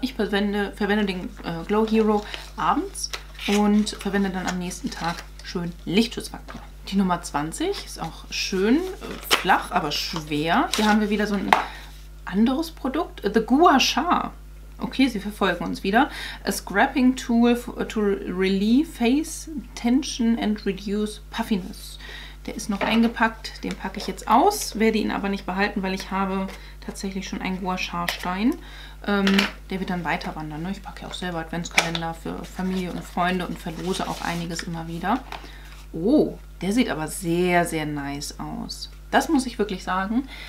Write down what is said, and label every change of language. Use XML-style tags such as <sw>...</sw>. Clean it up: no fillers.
<de>Ich verwende den Glow Hero abends und verwende dann am nächsten Tag schön Lichtschutzfaktor. Die Nummer 20 ist auch schön flach, aber schwer. Hier haben wir wieder so ein anderes Produkt. The Gua Sha. Okay, sie verfolgen uns wieder.</de> <en>A Scrapping Tool to Relieve Face Tension and Reduce Puffiness.</en> <de>Der ist noch eingepackt, den packe ich jetzt aus, werde ihn aber nicht behalten, weil ich habe tatsächlich schon einen Gua Sha Stein. Der wird dann weiter wandern. Ne? Ich packe ja auch selber Adventskalender für Familie und Freunde und verlose auch einiges immer wieder. Oh, der sieht aber sehr, sehr nice aus. Das muss ich wirklich sagen.</de>